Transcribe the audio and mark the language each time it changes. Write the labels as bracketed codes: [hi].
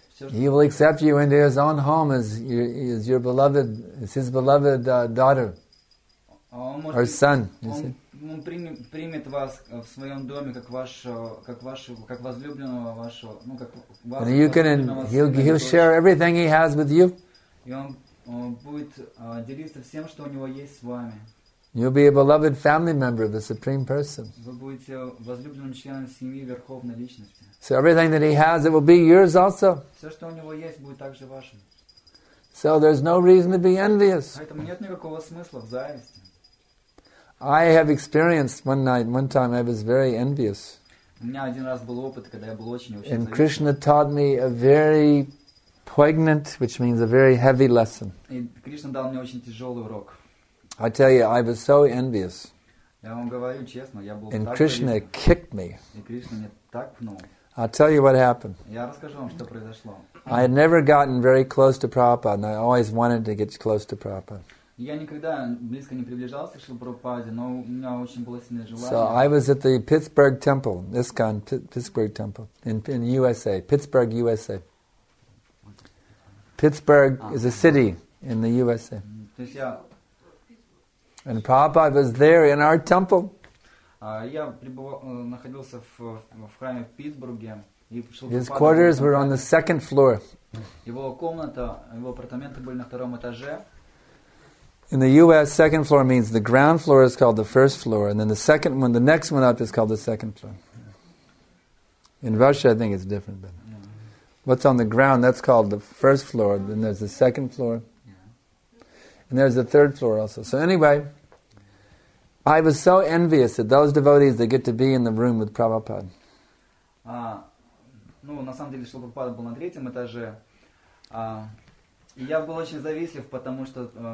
[en] He will accept you into his own home as your beloved, as his beloved daughter. Or son, you see. [ru] Он примет вас в своем доме как возлюбленного вашего, ну как вашего. [en] You can, he'll share everything he has with you. [ru] И он будет делиться всем, что у него есть с вами. [en] You'll be a beloved family member of the supreme person. [ru] Вы будете возлюбленным членом семьи верховной личности. [en] So everything that he has, it will be yours also. [ru] Все, что у него есть, будет также вашим. [en] So there's no reason to be envious. [ru] Поэтому нет никакого смысла в зависти. [en] I have experienced one time I was very envious. [ru] У меня один раз был опыт, когда я был очень. [en] And Krishna taught me a very poignant, which means a very heavy lesson. [ru] И Кришна дал мне очень тяжелый урок. [en] I tell you, I was so envious. [ru] Я вам говорю честно, я был так. [en] And Krishna kicked me. [ru] И Кришна мне так пнул. [en] I'll tell you what happened. [ru] Я расскажу вам, что произошло. [en] I had never gotten very close to Prabhupada, and I always wanted to get close to Prabhupada. [ru] Я никогда близко не приближался к Шрила Прабхупаде, но у меня очень было сильное желание. [en] So I was at the Pittsburgh Temple, ISKCON, Pittsburgh Temple, in USA, Pittsburgh, USA. Pittsburgh is a city in the USA. [ru] То есть я... [en] And Prabhupada was there in our temple. [ru] Я находился в храме в Питтсбурге. [en] His quarters were on the second floor. [ru] Его комната, его апартаменты были на втором этаже. [en] In the U.S., second floor means the ground floor is called the first floor, and then the second one, the next one up, is called the second floor. In Russia, I think it's different. But what's on the ground, that's called the first floor, then there's the second floor, and there's the third floor also. So anyway, I was so envious that those devotees, they get to be in the room with Prabhupada. [ru] Ну, на самом деле, Шрила Прабхупада был на третьем этаже, и я был очень завистлив, потому что...